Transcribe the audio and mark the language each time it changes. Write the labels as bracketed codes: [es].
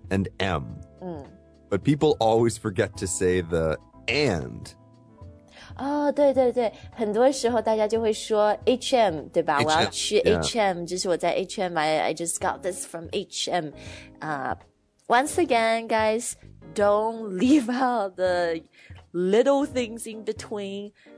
[en] And M. But people always forget to say the and. [zh] 哦，对对对，很多时候大家就会说 HM，对吧？我要 HM， [en] 去 HM，就是我在 HM I just got this from HM。 Once again, guys, don't leave out the little things in between。